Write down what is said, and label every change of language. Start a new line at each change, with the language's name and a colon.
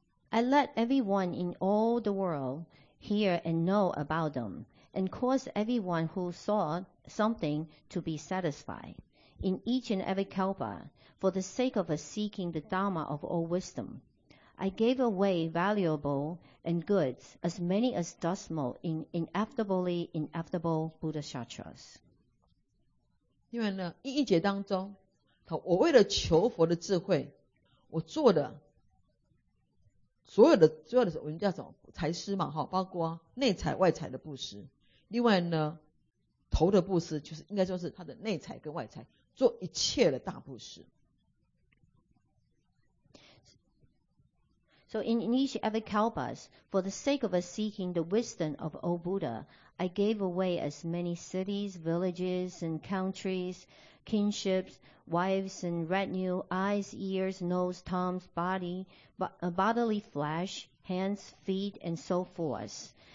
English: I let everyone in all the world hear and know about them, and cause everyone who saw something to be satisfied in each and every kalpa for the sake of seeking the Dharma of all wisdom. I gave away valuable and goods as many as decimal in ineffable Buddha Shatras.
Chinese: 因为呢，一节当中，我为了求佛的智慧，我做的所有的我们叫什么财施嘛，包括内财外财的布施。另外呢，头的布施就是应该说是他的内财跟外财，做一切的大布施。
English: So in each every kalpas, for the sake of seeking the wisdom of O Buddha, I gave away as many cities, villages, and countries, kinships, wives, and retinue, eyes, ears, nose, tongues, body, bodily flesh, hands, feet, and so forth.